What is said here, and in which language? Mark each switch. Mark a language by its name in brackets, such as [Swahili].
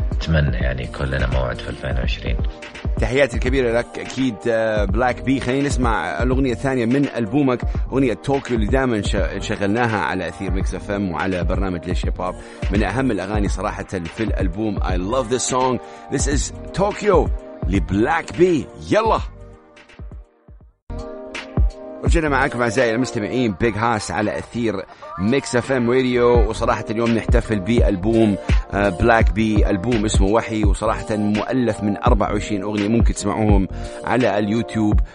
[Arabic] أتمنى يعني يكون لنا موعد في 2020. تحياتي الكبيرة لك أكيد بلاك بي. خلينا نسمع الأغنية الثانية من ألبومك، أغنية طوكيو اللي دائما شغلناها على أثير ميكس أف أم وعلى برنامج ليش هيب هوب، من أهم الأغاني صراحة في الألبوم. [English] I love this song. This is Tokyo لبلاك بي. [Arabic] يلا رجعنا معاكم أعزائي المستمعين، بيج هاس على أثير ميكس أف أم ريديو، وصراحة اليوم نحتفل بألبوم بلاك بي، ألبوم اسمه وحي، وصراحة مؤلف من 24 أغنية ممكن تسمعوهم على اليوتيوب.